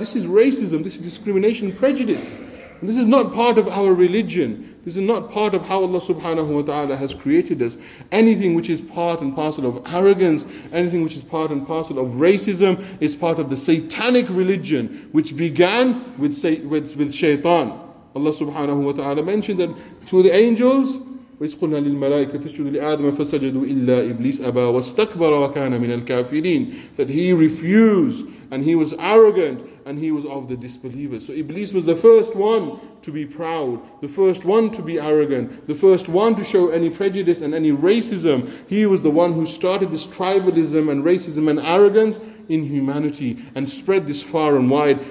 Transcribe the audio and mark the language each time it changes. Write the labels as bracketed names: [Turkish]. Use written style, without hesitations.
[English] This is racism, this is discrimination, prejudice. And this is not part of our religion. This is not part of how Allah subhanahu wa ta'ala has created us. Anything which is part and parcel of arrogance, anything which is part and parcel of racism, is part of the satanic religion, which began with shaitan. Allah subhanahu wa ta'ala mentioned that through the angels, [Arabic] وَإِذْقُلْنَا لِلْمَلَائِكَةِ تَسْجُدُ لِآدْمَ فَسَجَدُوا إِلَّا إِبْلِيسَ أَبَى وَاسْتَكْبَرَ وَكَانَ مِنَ الْكَافِرِينَ. [English] That he refused, and he was arrogant, and he was of the disbelievers. So Iblis was the first one to be proud, the first one to be arrogant, the first one to show any prejudice and any racism. He was the one who started this tribalism and racism and arrogance in humanity and spread this far and wide.